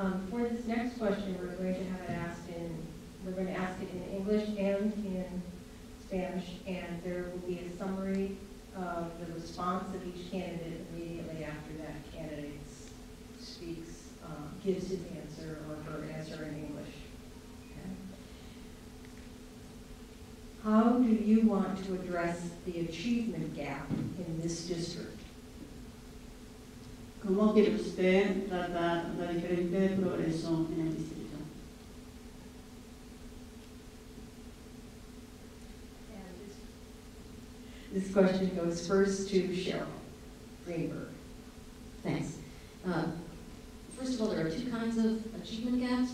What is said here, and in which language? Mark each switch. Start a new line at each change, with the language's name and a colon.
English: For this next question, we're going to have it asked in, we're going to ask it in English and in Spanish, and there will be a summary of the response of each candidate immediately after that candidate speaks. Gives his answer or her answer in English. Okay. How do you want to address the achievement gap in this district?
Spanish: ¿Cómo quiere usted tratar la diferencia de progreso en el distrito?
English: And just this question goes first to Cheryl Greenberg. Thanks. First of all, there are two kinds of achievement gaps.